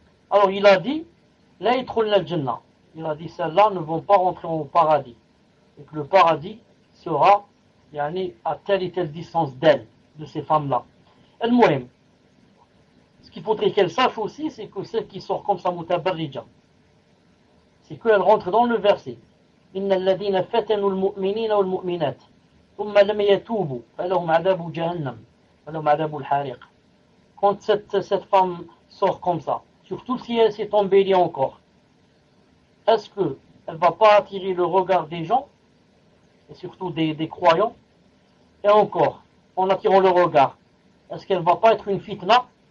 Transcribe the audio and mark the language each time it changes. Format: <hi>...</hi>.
<fr>Alors il a dit,</fr> <ar>la yadkhuluna al-jannah.</ar> <fr>Il a dit, celles-là ne vont pas rentrer au paradis. Et que le paradis sera, yani, à telle et telle distance d'elle, de ces femmes-là. المهم، ce qu'il faudrait qu'elle sache aussi, c'est que celle qui sort comme ça, mutabarrija, c'est qu'elle rentre dans le verset.</fr> <ar>إن الذين فتنوا المؤمنين والمؤمنات ثم لم يتوبوا فلهم عذاب جهنم ولهم عذاب الحريق.</ar> <fr>Quand cette femme sort comme ça, surtout si elle s'est embellie encore, est-ce que elle va pas attirer le regard des gens, et surtout des croyants? Et encore, en attirant le regard, est-ce qu'elle va pas être une fitna?</fr>